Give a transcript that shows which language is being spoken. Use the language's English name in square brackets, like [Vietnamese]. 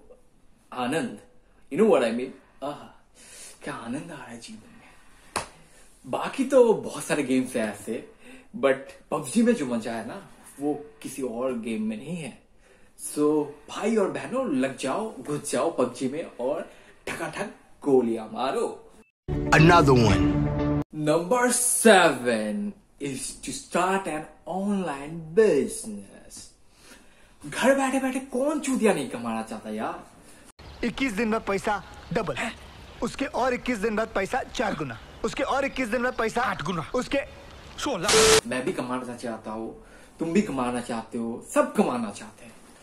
[Hindi] Anand, [English] you know what I mean, [Hindi] क्या आनंद आ रहा है जीवन में। बाकी तो बहुत सारे गेम्स है ऐसे, बट पबजी में जो मजा है ना वो किसी और गेम में नहीं है। सो भाई और बहनों, लग जाओ, घुस जाओ पबजी में और ठकाठक गोलियां मारो। [English] Another one. Number seven is to start an online business. [Hindi] घर बैठे बैठे कौन चूतिया नहीं कमाना चाहता यार? 21 दिन में पैसा डबल है? उसके और 21 दिन बाद पैसा चार गुना, उसके और 21 दिन बाद पैसा आठ गुना, उसके 16। मैं भी कमाना चाहता हूँ, तुम भी कमाना चाहते हो, सब कमाना चाहते हैं।